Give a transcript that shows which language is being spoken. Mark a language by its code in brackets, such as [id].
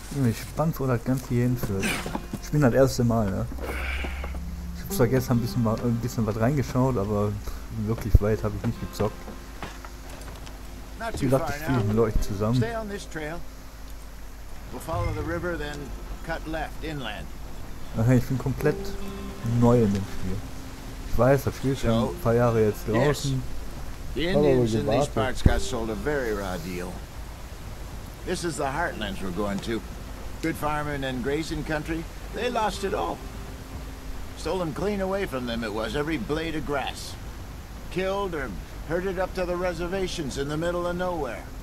[de] Ich bin gespannt, wo das Ganze hier hinführt. Ich bin das erste Mal, ne? Ich hab zwar gestern ein bisschen was reingeschaut, aber wirklich weit habe ich nicht gezockt. [en] Not too far now. [de] Vielen Leuten zusammen. [en] Stay on this trail. We'll follow the river, then cut left, inland. [de] Okay, ich bin komplett neu in dem Spiel. Ich weiß, das Spiel ist schon ein paar Jahre jetzt draußen. [en] The Indians in these parts got sold a very raw deal. This is the heartlands we're going to. Good farming and grazing country. They lost it all. Stolen clean away from them it was, every blade of grass. Killed or herded up to the reservations in the middle of nowhere.